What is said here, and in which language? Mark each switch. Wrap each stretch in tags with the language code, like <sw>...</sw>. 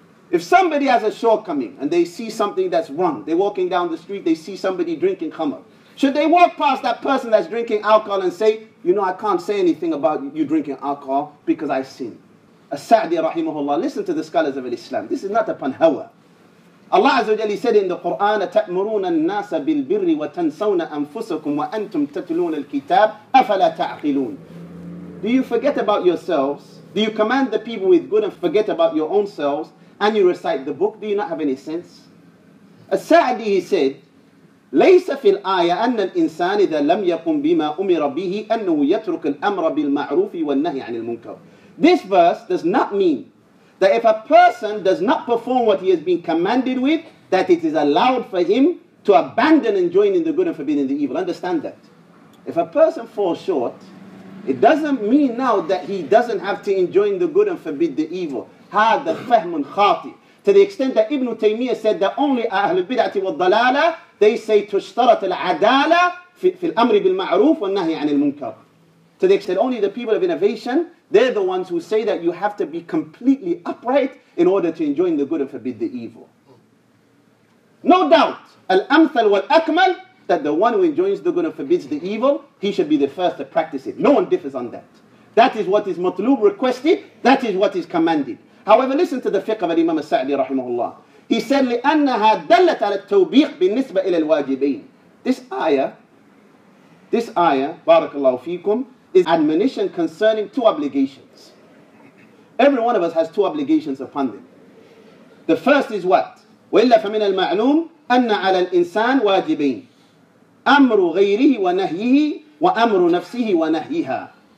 <en>If somebody has a shortcoming and they see something that's wrong, they're walking down the street, they see somebody drinking khamr, should they walk past that person that's drinking alcohol and say, you know, I can't say anything about you drinking alcohol because I sin? As-Sa'di rahimahullah, listen to the scholars of Islam. This is not upon hawa. Allah Azza wa Jalla said in the Quran,</en> <ar>أَتَأْمُرُونَ النَّاسَ بِالْبِرِّ وَتَنْسَوْنَ أَنفُسَكُمْ وَأَنْتُمْ تَتْلُونَ الْكِتَابَ أَفَلَا تَعْقِلُونَ.</ar> <en>Do you forget about yourselves? Do you command the people with good and forget about your own selves? And you recite the book, do you not have any sense? As-Sa'di, he said,</en> <ar>لَيْسَ فِي الْآيَةَ أَنَّ الْإِنسَانِ إِذَا لَمْ يَقُمْ بِمَا أُمِرَ بِهِ أَنَّهُ يَتْرُكَ الْأَمْرَ بِالْمَعْرُوفِ وَالنَّهِي عَنِ الْمُنْكَرِ.</ar> <en>This verse does not mean that if a person does not perform what he has been commanded with, that it is allowed for him to abandon and join in the good and forbidding the evil. Understand that. If a person falls short, it doesn't mean now that he doesn't have to enjoin the good and forbid the evil.</en> <ar>هَذَا فَهْمٌ خَاطِئٌ.</ar> <en>To the extent that Ibn Taymiyyah said that only</en> <ar>أَهْلُ الْبِدْعَةِ وَالضَّلَالَةِ,</ar> <en>they say</en> <ar>تُشْتَرَتَ الْعَدَالَةِ فِي الْأَمْرِ بِالْمَعْرُوفِ وَالنَّهِي عَنِ الْمُنْكَرِ.</ar> <en>To the extent only the people of innovation, they're the ones who say that you have to be completely upright in order to enjoin the good and forbid the evil. No doubt,</en> <ar>الْأَمْثَلْ وَالْأَكْمَلْ,</ar> <en>that the one who enjoins the good and forbids the evil, he should be the first to practice it. No one differs on that. That is what is matlub, requested. That is what is commanded. However, listen to the fiqh of Imam al-Sa'di rahimahullah. He said,</en> <ar>لِأَنَّهَا دَلَّتْ عَلَى التَّوْبِيقِ بِالنِّسْبَ إِلَى الْوَاجِبِينَ.</ar> <en>This ayah, barakallahu feekum, is admonition concerning two obligations. Every one of us has two obligations upon them. The first is what?</en> <ar>وَإِلَّا فَمِنَ الْمَعْلُومِ أَنَّ عَلَى الْإِنسَانِ وَاجِبِينَ أَمْرُ غَيْرِهِ وَنَهْيِهِ وَأَمْرُ نَفْسِهِ وَنَهْيِهَا.</ar>